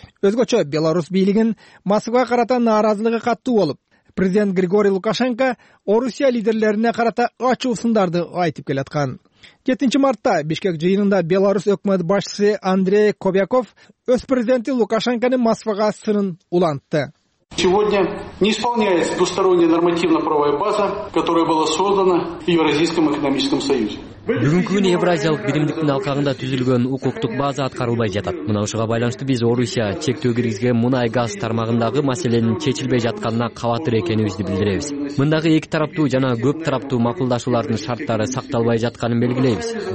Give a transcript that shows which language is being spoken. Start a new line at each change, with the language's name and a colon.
Kyrgyz: Өзгөчө Беларусь бийлигин Москва карата нааразылыгы каттуу болуп, президент Григорий Лукашенко Орусия лидерлерине карата ачуу сындарды айтып келаткан. 7 мартта Бишкек жыйынында Беларусь өкмөт башчысы Андрей Кобяков өз президенти Лукашенконун Москвага сынын улантты.
Russian: Сегодня не исполняется двусторонняя нормативно-правовая база, которая была создана в Евразийском экономическом союзе.
Kyrgyz: Бүгүнкү күн Евразиялык биримдиктин алкагында түзүлгөн укуктук база аткарылбай жатат. Мына ушуга байланыштуу биз Орусия чектөө киргизген мунай газ тармагындагы маселенин чечилбей жатканына кабатыр экенибизди билдиребиз. Мындагы эки тараптуу жана көп тараптуу макулдашуулардын шарттары сакталбай жатканын белгилейбиз.